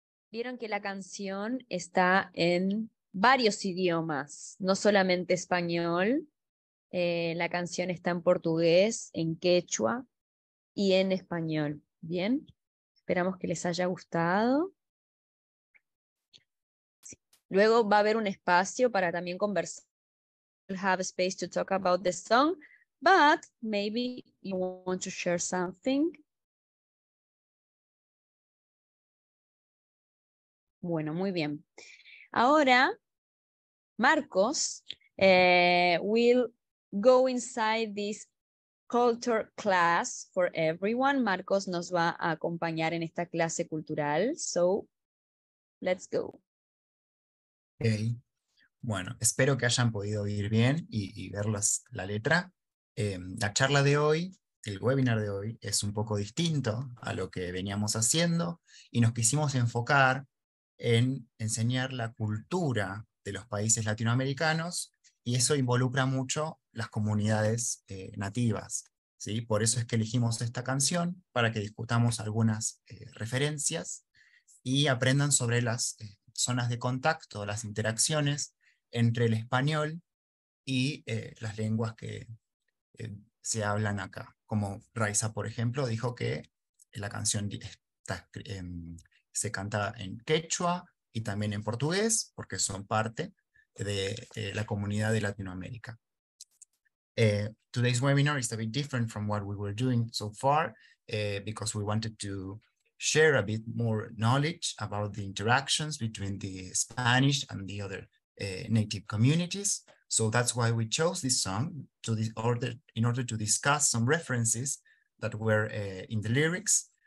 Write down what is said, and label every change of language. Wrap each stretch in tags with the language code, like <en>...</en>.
<es>Vieron que la canción está en varios idiomas, no solamente español. La canción está en portugués, en quechua y en español. Bien, esperamos que les haya gustado. Sí. Luego va a haber un espacio para también conversar.</es> <en>We'll have a space to talk about the song, but maybe you want to share something.</en> <es>Bueno, muy bien. Ahora,</es> <en>Marcos, will go inside this culture class for everyone.</en> <es>Marcos nos va a acompañar en esta clase cultural.</es> <en>So, let's go. Okay.</en> <es>Bueno, espero que hayan podido oír bien y ver la letra. La charla de hoy, el webinar de hoy, es un poco distinto a lo que veníamos haciendo y nos quisimos enfocar en enseñar la cultura de los países latinoamericanos, y eso involucra mucho las comunidades nativas, ¿sí? Por eso es que elegimos esta canción, para que discutamos algunas referencias y aprendan sobre las zonas de contacto, las interacciones entre el español y las lenguas que se hablan acá. Como Raysa, por ejemplo, dijo que la canción está se canta en quechua y también en portugués, porque son parte de la comunidad de Latinoamérica.</es> <en>Today's webinar is a bit different from what we were doing so far, because we wanted to share a bit more knowledge about the interactions between the Spanish and the other native communities. So that's why we chose this song, in order to discuss some references that were in the lyrics.</en>